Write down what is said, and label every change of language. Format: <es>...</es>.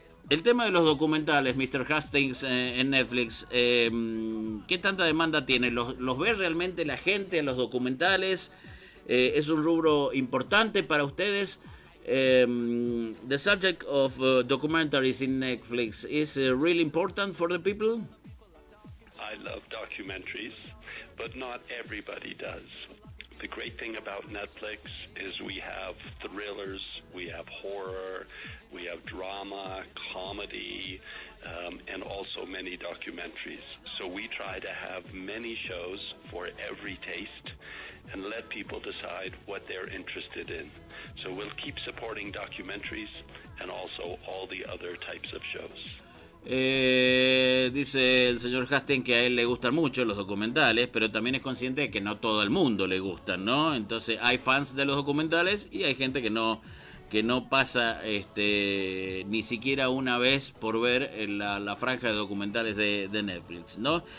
<es>El tema de los documentales, Mr. Hastings, en Netflix, ¿qué tanta demanda tiene? ¿Los ve realmente la gente en los documentales? ¿Es un rubro importante para ustedes?</es> <en>The subject of documentaries in Netflix, is really important for the people? I love documentaries, but not everybody does. The great thing about Netflix is we have thrillers, we have horror, we have drama, comedy, and also many documentaries. So we try to have many shows for every taste and let people decide what they're interested in. So we'll keep supporting documentaries and also all the other types of shows.</en> <es>Dice el señor Hastings que a él le gustan mucho los documentales, pero también es consciente de que no todo el mundo le gustan, ¿no? Entonces hay fans de los documentales y hay gente que no pasa ni siquiera una vez por ver la franja de documentales de Netflix, ¿no?</es>